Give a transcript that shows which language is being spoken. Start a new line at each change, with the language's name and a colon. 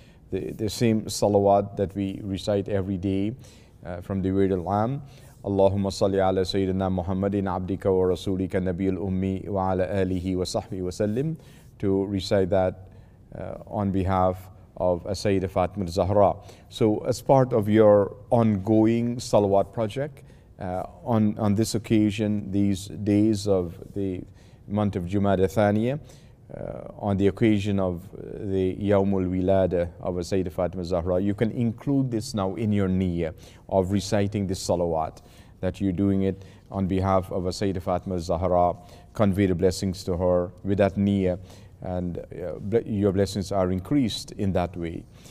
English: The same salawat that we recite every day from the Wird al-Am.
Arabic: اللهم صل على سيدنا محمد عبدك ورسولك النبي الأمي وعلى آله وصحبه وسلم,
English: to recite that on behalf of Sayyidah Fatima Zahra. So as part of your ongoing Salawat project, on this occasion, these days of the month of Jumada Thaniya, on the occasion of the Yawmul Wilada of Sayyidah Fatima Zahra, you can include this now in your niyyah of reciting this Salawat, that you're doing it on behalf of Sayyidah Fatima Zahra, convey the blessings to her with that niyyah, and your blessings are increased in that way.